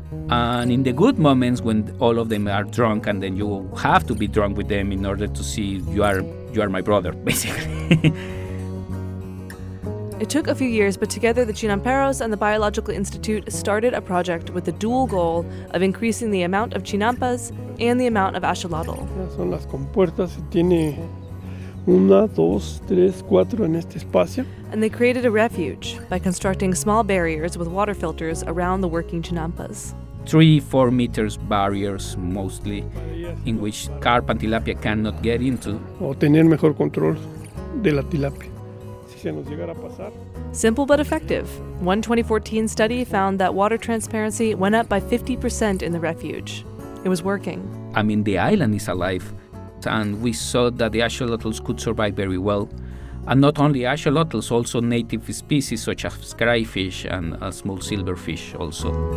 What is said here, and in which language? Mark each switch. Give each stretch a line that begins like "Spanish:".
English: And in the good moments when all of them are drunk, and then you have to be drunk with them in order to see you are my brother, basically. It took a few years, but together the Chinamperos and the Biological Institute started a project with the dual goal of increasing the amount of chinampas and the amount of axolotl.
Spanish: Son las compuertas y tiene una, dos, tres, cuatro en este espacio.
English: And they created a refuge by constructing small barriers with water filters around the working chinampas. 3-4 meters barriers, mostly, in which carp and tilapia cannot get into.
Spanish: O tener mejor control de la tilapia. Si se nos llegara a pasar.
English: Simple but effective. One 2014 study found that water transparency went up by 50% in the refuge. It was working. I mean, the island is alive. And we saw that the axolotls could survive very well. And not only axolotls, also native species such as crayfish and a small silverfish also.